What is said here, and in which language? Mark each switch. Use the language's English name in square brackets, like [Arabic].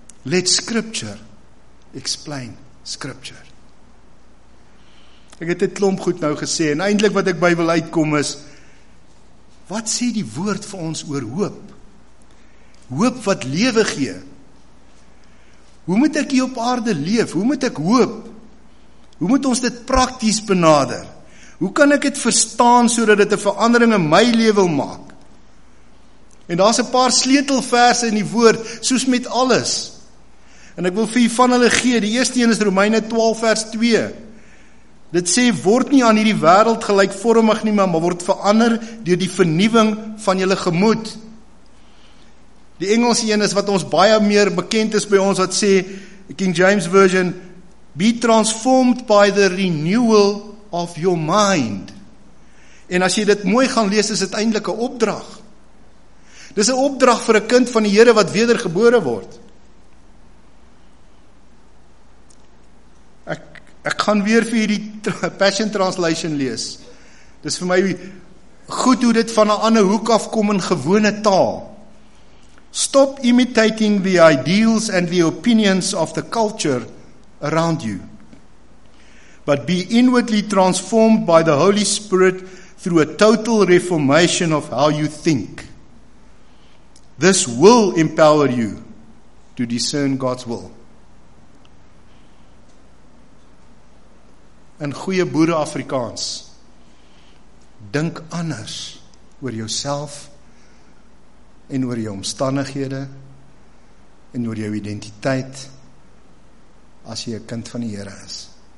[English] Let scripture explain scripture. [Afrikaans] Ek het 'n klomp goed nou gesê en eintlik wat ek by wil uitkom is, wat sê die woord vir ons oor hoop? Hoop wat lewe gee. Hoe moet ek hier op aarde leef? Hoe moet ek hoop? Hoe moet ons dit prakties benader? Hoe kan ek dit verstaan sodat dit 'n verandering in my lewe maak? En daar's 'n paar sleutelverse in die woord, soos met alles. En ek wil vir u van hulle gee, die eerste een is Romeine 12 vers 2. Dit sê, word nie aan hierdie wêreld gelykvormig nie, maar word verander deur die vernuwing van julle gemoed. Die Engelse een is wat ons baie meer bekend is by ons, wat sê, King James Version, [English] be transformed by the renewal of your mind. [Afrikaans] En as jy dit mooi gaan lees, is dit eintlik 'n opdrag. Dis 'n opdrag vir 'n kind van die Here wat wedergebore word. Ek gaan weer vir hierdie Passion Translation lees. Dis vir my goed hoe dit van 'n ander hoek af kom in gewone taal. [English] Stop imitating the ideals and the opinions of the culture around you. But be inwardly transformed by the Holy Spirit through a total reformation of how you think. This will empower you to discern God's will. [Afrikaans] In goeie boere Afrikaans, dink anders oor jouself en oor jou omstandighede en oor jou identiteit as jy 'n kind van die Here is.